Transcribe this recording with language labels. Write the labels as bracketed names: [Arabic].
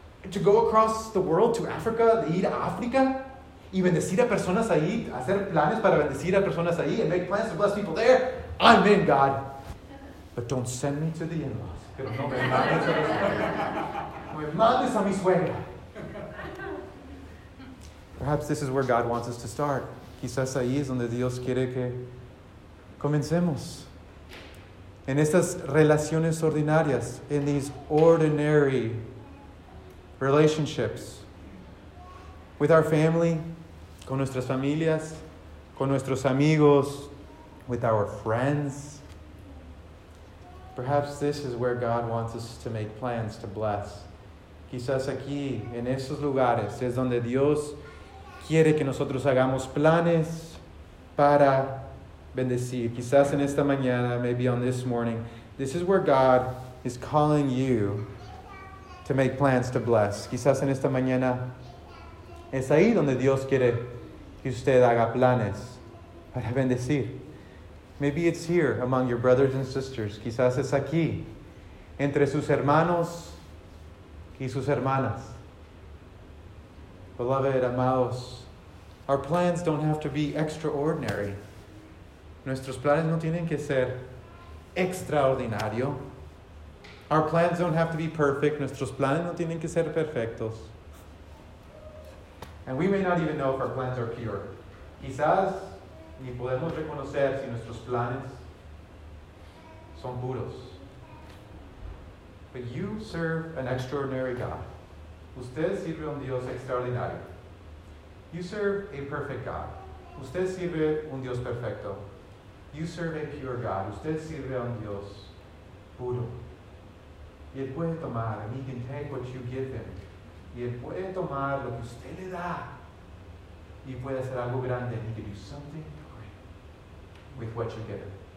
[English] To go across the world, to Africa, ir a África. Y bendecir a personas ahí, hacer planes para bendecir a personas ahí, and make plans to bless people there. I'm in, God. But don't send me to the in-laws. [Spanish] Pero no me mandes a mi suegra. Me mandes a mi suegra. [English] Perhaps this is where God wants us to start. [Spanish] Quizás ahí es donde Dios quiere que comencemos. En estas relaciones ordinarias, in these ordinary relationships, with our family, con nuestras familias, con nuestros amigos, with our friends. [English] Perhaps this is where God wants us to make plans to bless. [Spanish] Quizás aquí, en esos lugares, es donde Dios quiere que nosotros hagamos planes para bendecir. [English] Quizás en esta mañana, maybe on this morning, this is where God is calling you to make plans to bless. [Spanish] Quizás en esta mañana, es ahí donde Dios quiere que usted haga planes para bendecir. [English] Maybe it's here among your brothers and sisters. [Spanish] Quizás es aquí, entre sus hermanos y sus hermanas. [English] Beloved, amados, our plans don't have to be extraordinary. [Spanish] Nuestros planes no tienen que ser extraordinario. [English] Our plans don't have to be perfect. Nuestros planes no tienen que ser perfectos. And we may not even know if our plans are pure. [Spanish] Quizás ni podemos reconocer si nuestros planes son puros. [English] But you serve an extraordinary God. [Spanish] Usted sirve a un Dios extraordinario. [English] You serve a perfect God. [Spanish] Usted sirve un Dios perfecto. [English] You serve a pure God. [Spanish] Usted sirve a un Dios puro. [English] Y él puede tomar, and he can take what you give him. [Spanish] Y él puede tomar lo que usted le da y puede hacer algo grande. [English] He can do something great with what you give him.